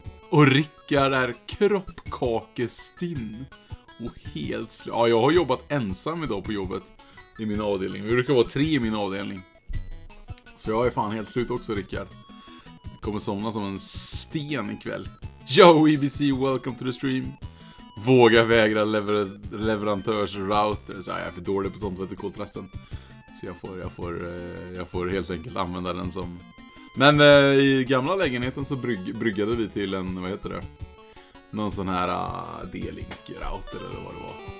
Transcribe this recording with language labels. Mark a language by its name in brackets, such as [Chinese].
[Swedish] Och Rickard är kroppkakestinn och helt slut. Ja, jag har jobbat ensam idag på jobbet i min avdelning. Vi brukar vara tre i min avdelning. Så jag är fan helt slut också, Rickard. Jag kommer somna som en sten ikväll. [English] Yo, EBC, welcome to the stream. [Swedish] Våga vägra leverantörs router. Så jag är för dålig på sånt, vet du, kontrasten. Så jag får helt enkelt använda den som... Men i gamla lägenheten så bryggade vi till en, vad heter det? Någon sån här D-Link-router eller vad det var.